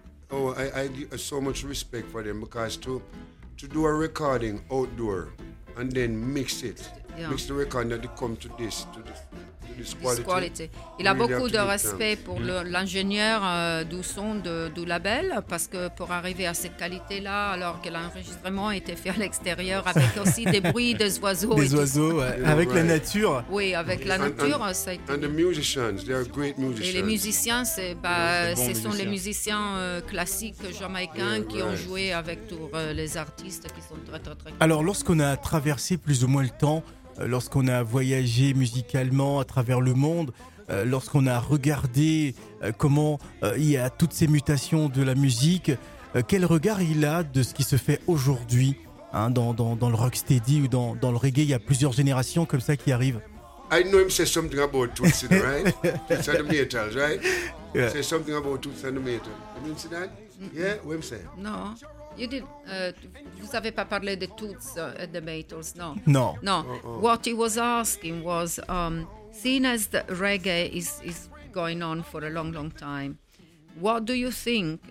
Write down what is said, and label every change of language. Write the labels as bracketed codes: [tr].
[en] I give so much respect for them because to do a recording outdoor and then mix it, yeah. mix the recording that they come to this. To this quality. [fr] Il a beaucoup de respect pour l'ingénieur du son du label parce que pour arriver à cette qualité-là, alors que l'enregistrement était fait à l'extérieur avec aussi des bruits des oiseaux. Des oiseaux, avec la nature. Oui, avec la nature, ça a été. [en] And the musicians, they are great musicians. [fr] Et les musiciens, ce sont les musiciens classiques jamaïcains qui ont joué avec tous les artistes qui sont très, très, très cool. Alors, lorsqu'on a traversé plus ou moins le temps, lorsqu'on a voyagé musicalement à travers le monde, lorsqu'on a regardé comment il y a toutes ces mutations de la musique, quel regard il a de ce qui se fait aujourd'hui hein, dans le rocksteady ou dans le reggae? Il y a plusieurs générations comme ça qui arrivent. [en] I know him say something about Tootsie, right? Tootsie and the Maytals, right? Yeah. Say something about Tootsie and the Maytals. You didn't see that? Yeah, what him say? No. You did. [fr] Vous avez pas parlé de Toots and the Maytals, no? [en] No. No. Uh-oh. What he was asking was, seeing as the reggae is going on for a long, long time, what do you think?